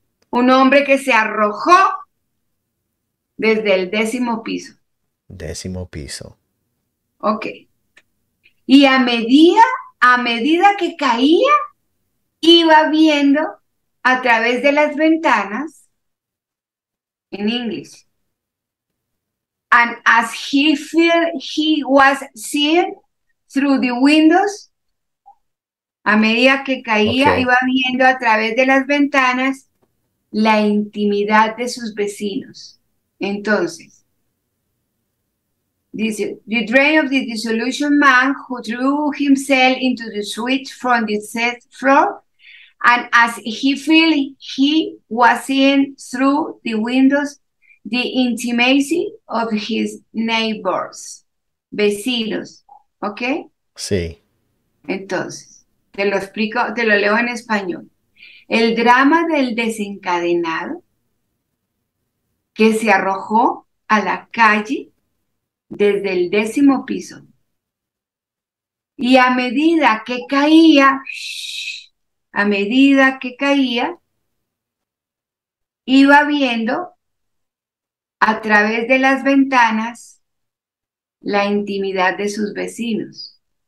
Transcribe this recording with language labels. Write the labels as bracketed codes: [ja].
[es] un hombre que se arrojó desde el décimo piso. Décimo piso. Ok. Y a medida que caía, iba viendo a través de las ventanas. En inglés. [en] And as he felt he was seeing through the windows, [es] a medida que caía, [en] Okay. [es] iba viendo a través de las ventanas la intimidad de sus vecinos. Entonces, dice, [en] the dream of the disillusioned man who threw himself into the street from the 10th floor. And as he felt he was seeing through the windows the intimacy of his neighbors, vecinos, ¿ok? [es] Sí. Entonces, te lo explico, te lo leo en español. El drama del desencadenado que se arrojó a la calle desde el décimo piso. Y a medida que caía, a medida que caía, iba viendo a través de las ventanas la intimidad de sus vecinos.